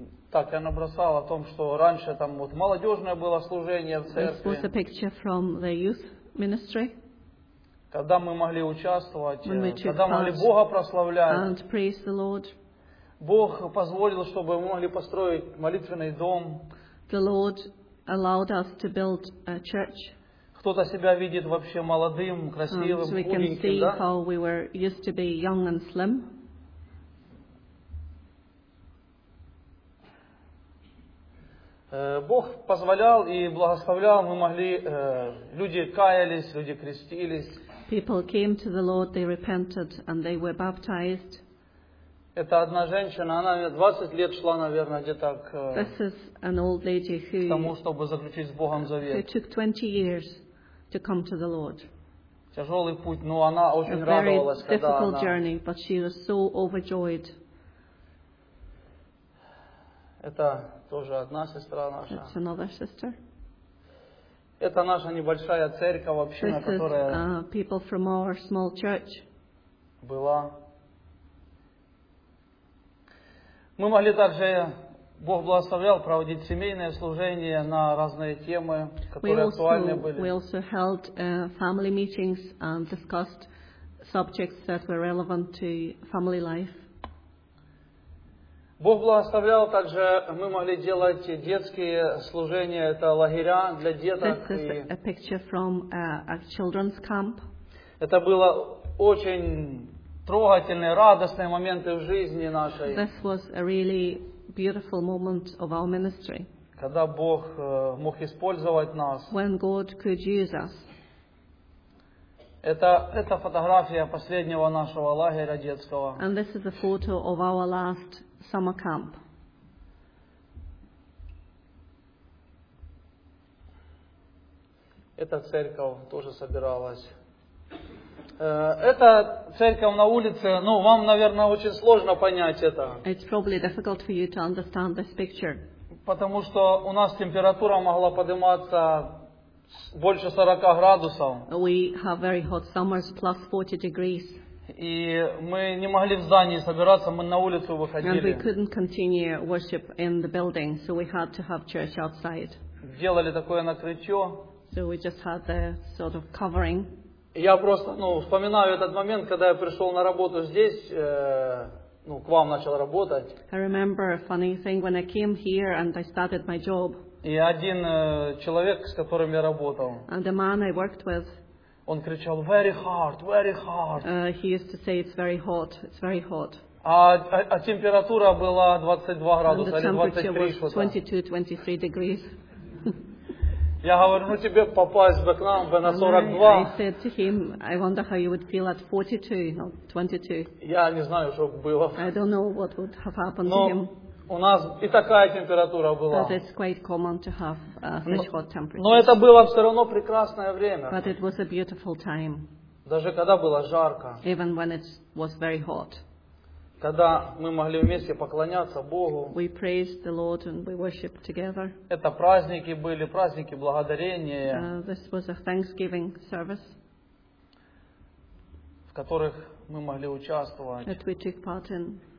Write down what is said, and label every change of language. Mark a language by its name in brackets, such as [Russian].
[Russian] Так, я набросал о том, что раньше там вот молодежное было служение в церкви. [English] This was a picture from the youth ministry. [Russian] когда мы могли участвовать, когда могли Бога прославлять. Бог позволил, чтобы мы могли построить молитвенный дом. [English] The Lord allowed us to build a church. [Russian] Кто-то себя видит вообще молодым, красивым, худеньким, да? [English] So we can see how we were used to be young and slim. [Russian] Бог позволял и благословлял, мы могли, люди каялись, люди крестились. [English] People came to the Lord, they repented and they were baptized. [Russian] Это одна женщина, она 20 лет шла, наверное, где-то к, [English] this is an old lady who, [Russian] к тому, чтобы заключить с Богом завет. [English] Who took 20 years to come to the Lord. [Russian] Тяжелый путь, но она очень радовалась, когда она... [English] A very difficult journey, but she was so overjoyed. [Russian] Это тоже одна сестра наша. [English] That's another sister. [Russian] Это наша небольшая церковь, община, [English] this [Russian] которая... [English] This is people from our small church. [Russian] Была... Мы могли также, Бог благословлял, проводить семейные служения на разные темы, которые актуальны были. [English] We also held family meetings and discussed subjects that were relevant to family life. [Russian] Бог благословлял также, мы могли делать детские служения, это лагеря для деток. [English] This is a picture from a children's camp. [Russian] Это было очень... трогательные, радостные моменты в жизни нашей. [English] This was a really beautiful moment of our ministry. [Russian] Когда Бог мог использовать нас. [English] When God could use us. [Russian] Это фотография последнего нашего лагеря детского. [English] And this is a photo of our last summer camp. [Russian] Эта церковь тоже собиралась. Это церковь на улице. Ну, вам, наверное, очень сложно понять это. [English] It's probably difficult for you to understand this picture. [Russian] Потому что у нас температура могла подниматься больше 40 градусов. [English] We have very hot summers, plus 40 degrees. [Russian] И мы не могли в здании собираться, мы на улицу выходили. [English] And we couldn't continue worship in the building, so we had to have church outside. [Russian] Делали такое накрытие. [English] So we just had the sort of covering. [Russian] Я просто, ну, вспоминаю этот момент, когда я пришел на работу здесь, ну, к вам начал работать. [English] I remember a funny thing when I came here and I started my job. [Russian] И один человек, с которым я работал. [English] And the man I worked with. [Russian] Он кричал: [English] "Very hot, very hot." He used to say, "It's very hot, it's very hot." [Russian] А температура была 22 градуса или 23 что-то. [English] 22-23 degrees. [Russian] Я говорю, ну тебе попасть бы к нам бы на 42. [English] I said to him, I wonder how you would feel at 42, not 22. [Russian] Я не знаю, что было. [English] I don't know what would have happened [Russian] но [English] to him. [Russian] У нас и такая температура была. [English] But it's quite common to have such hot temperatures. [Russian] Но это было все равно прекрасное время. [English] But it was a beautiful time. [Russian] Даже когда было жарко. [English] Even when it was very hot. [Russian] Когда мы могли вместе поклоняться Богу. [English] We praised the Lord and we worshiped together. [Russian] Это праздники были, праздники благодарения. [English] This was a thanksgiving service. [Russian] В которых мы могли участвовать. [English] That we took part in.